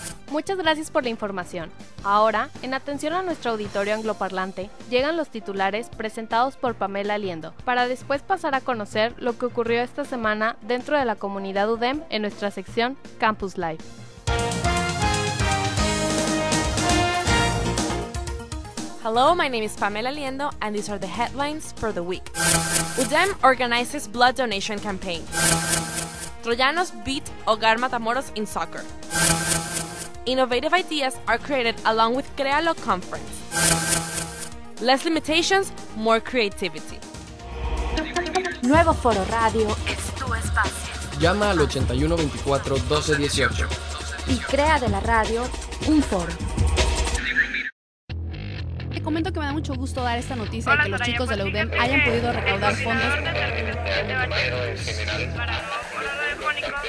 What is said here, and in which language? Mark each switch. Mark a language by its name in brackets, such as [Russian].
[Spanish] Muchas gracias por la información. Ahora, en atención a nuestro auditorio angloparlante, llegan los titulares presentados por Pamela Liendo, para después pasar a conocer lo que ocurrió esta semana dentro de la comunidad UDEM en nuestra sección Campus Life. [English] Hello, my name is Pamela Liendo, and these are the headlines for the week. UDEM organizes blood donation campaign. Troyanos beat Hogar Matamoros in soccer. Innovative ideas are created along with Crealo Conference. Less limitations, more creativity. [Spanish] Nuevo Foro Radio es tu espacio. Llama al 8124 1218. Y crea de la radio un foro. Te comento que me da mucho gusto dar esta noticia. Hola, de que los chicos de la UDEM hayan podido recaudar fondos.